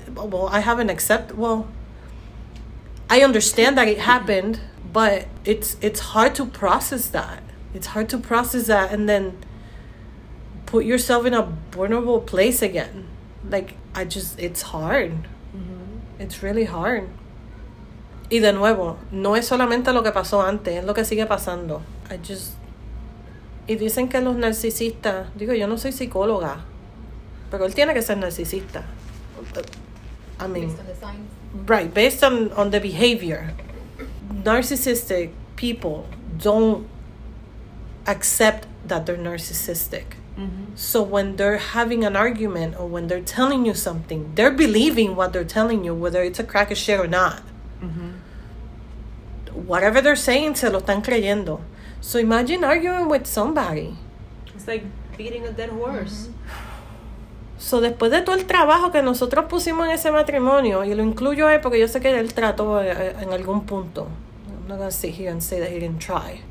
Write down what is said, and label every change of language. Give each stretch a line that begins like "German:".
English: Well, I haven't accepted. Well, I understand that it happened. But it's hard to process that. It's hard to process that and then put yourself in a vulnerable place again. Like, I just, it's hard. Mm-hmm. It's really hard.
Spanish: Y de nuevo, no es solamente lo que pasó antes, es lo que sigue pasando. I just, y dicen que los narcisistas, digo, yo no soy psicóloga, pero él tiene que ser narcisista.
English: I mean, right, based on the behavior. Narcissistic people don't accept that they're narcissistic. Mm-hmm. So when they're having an argument or when they're telling you something, they're believing what they're telling you, whether it's a crack of shit or not. Mm-hmm. Whatever they're saying, se lo están creyendo. So imagine arguing with somebody. It's like beating a dead horse. Mm-hmm.
Spanish: So después de todo el trabajo que nosotros pusimos en ese matrimonio, y lo incluyo ahí porque yo sé que él trató en algún punto.
English: I'm not gonna sit here and say that he didn't try.